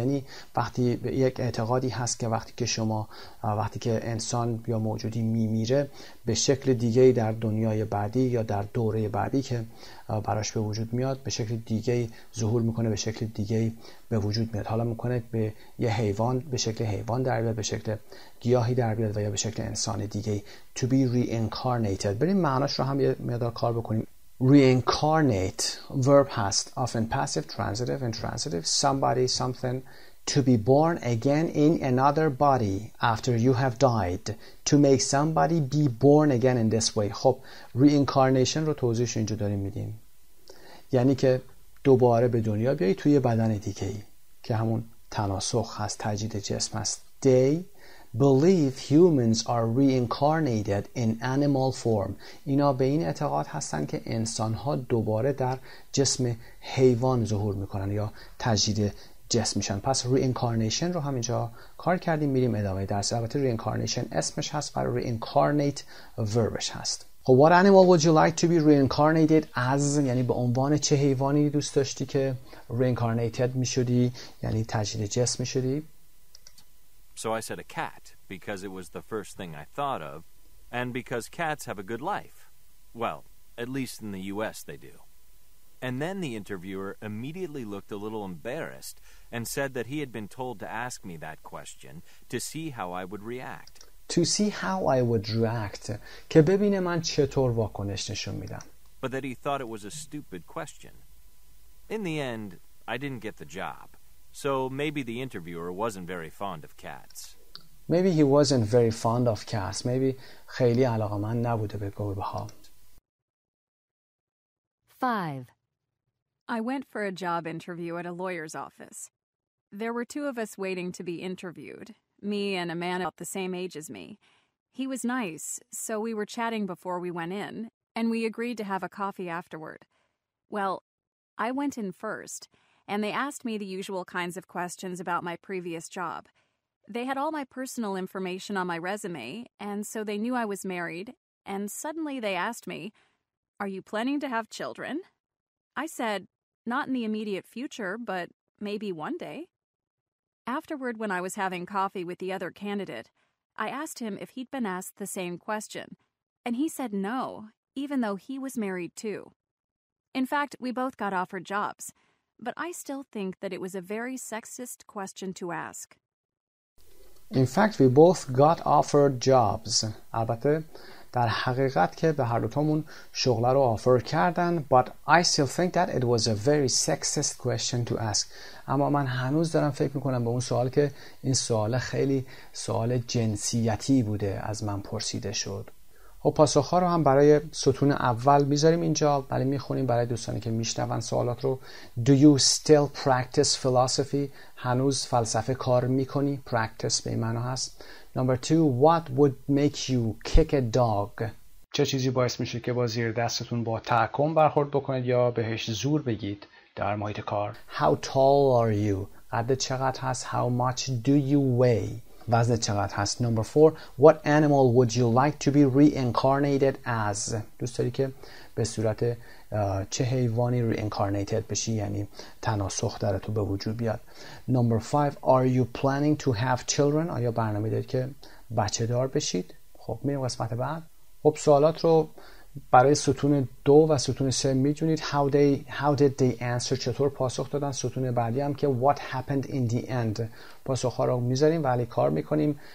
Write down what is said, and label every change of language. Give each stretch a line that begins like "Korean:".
Persian: یعنی وقتی یک اعتقادی هست که وقتی که انسان یا موجودی میمیره، به شکل دیگه در دنیای بعدی یا در دوره بعدی که براش به وجود میاد، به شکل دیگه ظهور میکنه، به شکل دیگه به وجود میاد. حالا میکنه به یه حیوان، به شکل حیوان در بیاد، به شکل گیاهی در بیاد و یا به شکل انسان دیگه.
English: To be reincarnated.
Persian: بریم معناش رو هم یه مقدار کار بکنیم.
English: Reincarnate verb
Persian: هست،
English: often passive, transitive, intransitive. Somebody, something. To be born again in another body after you have died. To make somebody be born again in this way.
Persian: خب reincarnation رو توضیحش اینجا داریم میدیم، یعنی که دوباره به دنیا بیایی توی بدن دیگه‌ای که همون تناسخ هست، تجدید جسم هست.
English: they believe humans are reincarnated in animal form.
Persian: اینا به این اعتقاد هستن که انسان‌ها دوباره در جسم حیوان ظهور می‌کنن یا تجدید جسم میشن. پس reincarnation رو همینجا کار کردیم. میریم ادامه درس. البته reincarnation اسمش هست و reincarnate verbش هست. خب
English: what animal would you like to be reincarnated as؟
Persian: یعنی به عنوان چه حیوانی دوست داشتی که reincarnated میشدی؟ یعنی تجدید جسم میشدی؟
English: So I said a cat because it was the first thing I thought of and because cats have a good life. Well, at least in the US they do. And then the interviewer immediately looked a little embarrassed and said that he had been told to ask me that question to see how I would react. To see how I would react.
Persian: که ببینه من چطور واکنش نشون میدم.
English: But that he thought it was a stupid question. In the end, I didn't get the job. So maybe the interviewer wasn't very fond of cats. Maybe he wasn't very fond of cats.
Persian: Maybe خیلی علاقه‌مند نبوده به گربه ها.
English: 5. I went for a job interview at a lawyer's office. There were two of us waiting to be interviewed, me and a man about the same age as me. He was nice, so we were chatting before we went in, and we agreed to have a coffee afterward. Well, I went in first, and they asked me the usual kinds of questions about my previous job. They had all my personal information on my resume, and so they knew I was married, and suddenly they asked me, "Are you planning to have children?" I said, not in the immediate future, but maybe one day. Afterward, when I was having coffee with the other candidate, I asked him if he'd been asked the same question, and he said no, even though he was married too. In fact, we both got offered jobs, but I still think that it was a very sexist question to ask. In fact, we both got offered jobs.
Persian: البته در حقیقت که به هر دوتامون شغل رو آفر کردن.
English: But I still think that it was a very sexist question to ask.
Persian: اما من هنوز دارم فکر میکنم به اون سوال که این سوال خیلی سوال جنسیتی بوده از من پرسیده شد. خب پاسخ ها رو هم برای ستون اول میذاریم اینجا. بله میخونیم برای دوستانی که میشنون سوالات رو.
English: Do you still practice philosophy؟
Persian: هنوز فلسفه کار میکنی؟ Practice به این معنی هست.
English: Number 2, what would make you kick a dog?
Persian: چه چیزی باعث میشه که با زیر دستتون با تحکم برخورد بکنید یا بهش زور بگید در محیط کار؟
English: How tall are you?
Persian: قد چقدر هست؟
English: How much do you weigh?
Persian: وزن چقدر هست؟
English: Number 4, what animal would you like to be reincarnated as?
Persian: دوست داری که به صورت چه حیوانی reincarnated بشی؟ یعنی تناسخ در تو به وجود بیاد.
English: Number 5, are you planning to have children?
Persian: آیا برنامه دارید که بچه دار بشید؟ خب میریم قسمت بعد. خب سوالات رو برای ستون 2 و ستون 3 میدونید.
English: How did they answer
Persian: چطور پاسخ دادن. ستون بعدی هم که
English: what happened in the end
Persian: پاسخ ها رو میذاریم ولی کار میکنیم.